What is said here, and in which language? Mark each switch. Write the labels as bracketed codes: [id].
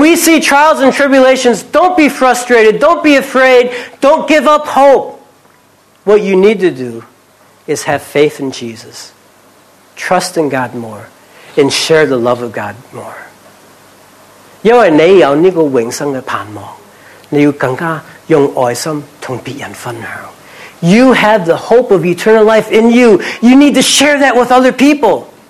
[en] we see trials and tribulations, don't be frustrated, don't be afraid, don't give up hope. What you need to do is have faith in Jesus, trust in God more, and share the love of God more. [zh] 因为你有这个永生的盼望，你要更加用爱心和别人分享。 [en] You have the hope of eternal life in you. You need to share that with other people.